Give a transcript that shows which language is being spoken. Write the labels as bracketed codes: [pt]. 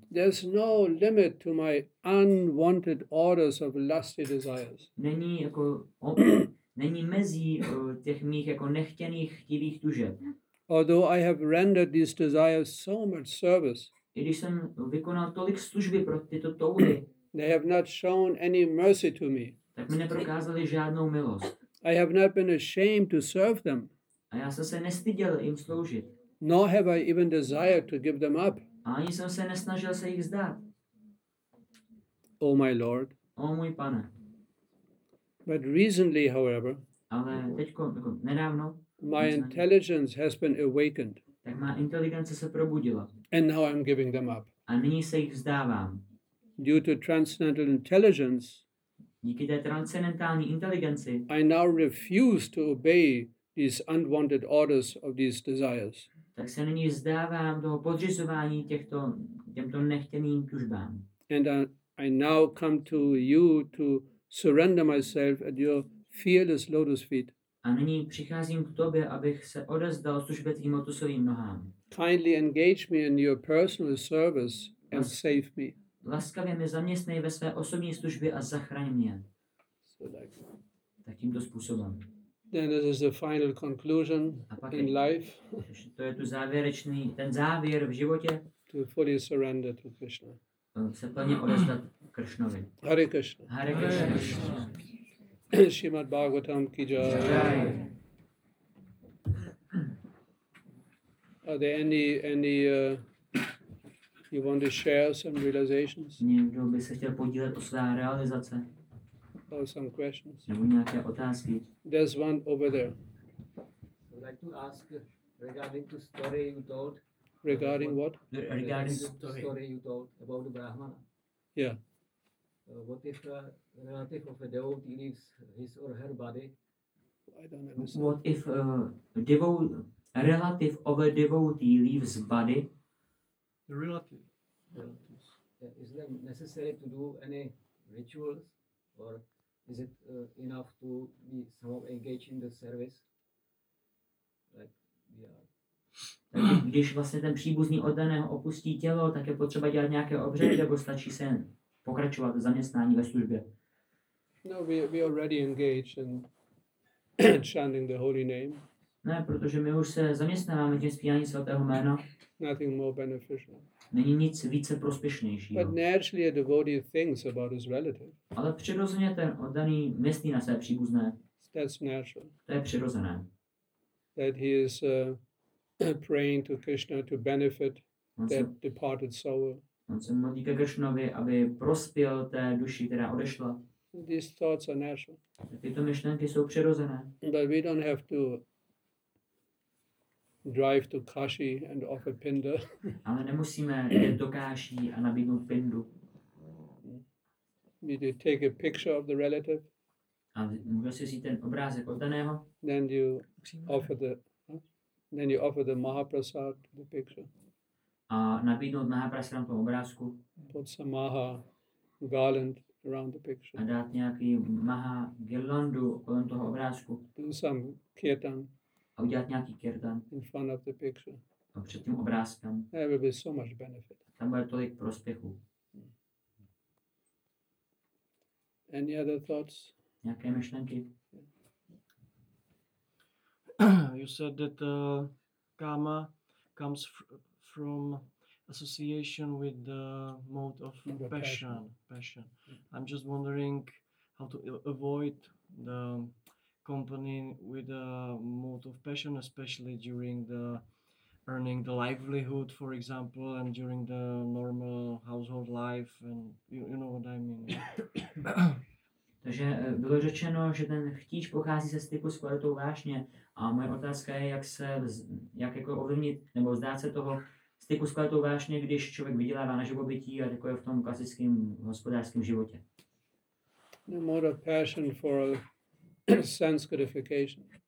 [en] there's no limit to my unwanted orders of lusty desires. [cs] Není jako není mezí těch mých jako nechtěných chtivých tužeb. [en] Although I have rendered these desires so much service, [cs] i když jsem vykonal tolik služby pro tyto touhy, [en] they have not shown any mercy to me. [cs] Tak mi neprokázali žádnou milost. [en] I have not been ashamed to serve them. [cs] A já jsem se nestyděl jim sloužit. [en] Nor have I even desired to give them up. [cs] A ani jsem se nesnažil se jich zdát. [en] O my Lord. [cs] O můj Pane. [en] But recently, however, [cs] ale teďko, jako nedávno, [en] my intelligence has been awakened. [cs] Tak má inteligence se probudila. [en] And now I'm giving them up. [cs] A nyní se jich vzdávám. [en] Due to transcendental intelligence, [cs] díky té transcendentální inteligenci, [en] I now refuse to obey these unwanted orders of these desires. [cs] Tak se nyní vzdávám toho podřizování těmto nechtěným tužbám. [en] And I now come to you to surrender myself at your fearless lotus feet. [cs] A nyní přicházím k tobě, abych se odezdal službě tvým lotusovým nohám. [en] Kindly engage me in your personal service and save me. [cs] Laskavě mě zaměstnej ve své osobní službě a zachraň mě. [en] So like [cs] tak tímto způsobem. [en] Then this is the final conclusion in life. [cs] To je tu závěrečný, ten závěr v životě. [en] To fully surrender to Krishna. [cs] Se plně odezdat Krishnovi. [sa] Hare Krishna. Hare Krishna. Srimad Bhagavatam ki jai. [en] Are there any you want to share some realizations? [cs] Někdo by se chtěl podílet o své realizace. [en] Or some questions. There's one over there. I would like to ask regarding the story you told. Regarding what? Regarding the story you told about the Brahmana. Yeah. What if a relative of a devotee leaves his or her body? I don't understand. What if a relative of a devotee leaves body? The relative. Is it necessary to do any rituals or is it enough to be somehow engaged in the service? Like, yeah. [cs] Tak když vlastně ten příbuzný oddaného opustí tělo, tak je potřeba dělat nějaké obřady, nebo stačí se pokračovat v zaměstnání ve službě? [en] No, we already engaged in chanting the holy name. [cs] Ne, protože my už se zaměstnáváme tím zpíváním svatého jména. [en] Nothing more beneficial. [cs] Není nic více prospěšnějšího. [en] But naturally a devotee thinks about his relative. [cs] Ale přirozeně ten oddaný myslí na své příbuzné. [en] That's natural. [cs] To je přirozené. [en] That he is praying to Krishna to benefit that departed soul. [cs] On se modlí ke Krishnovi, aby prospěl té duši, která odešla. [en] These thoughts are natural. [cs] Tyto myšlenky jsou přirozené. [en] But we don't have to drive to Kashi and offer pinda. [cs] Ale nemusíme jít do Kashi a nabídnout pindu. [en] You do take a picture of the relative. [cs] A můžete si ten obrázek oddaného. [en] Then you offer the Mahaprasad the picture. [cs] A nabídnout Mahaprasadam toho obrázku. [en] Put some maha garland around the picture. [cs] A dát nějaký maha girlandu kolem toho obrázku. [en] Do some kirtan. [cs] A udělat nějaký kirtan. [en] In front of the picture. [cs] A před tím obrázkem. [en] There will be so much benefit. [cs] Tam bude tolik prospěchu. [en] Any other thoughts? [cs] Nějaké myšlenky? [en] You said that karma comes from association with the mode of passion. I'm just wondering how to avoid the company with a mode of passion, especially during the earning the livelihood, for example, and during the normal household life, and you know what I mean. That [cs] Takže bylo řečeno, že ten chtíč pochází ze styku s kvalitou vášně. A moje otázka je, jak jako ovlivnit nebo vzdát se toho styku s kvalitou vášně, když člověk vydělává na živobytí a takové v tom klasickém hospodářském životě. [en] The mode of passion for sense gratification.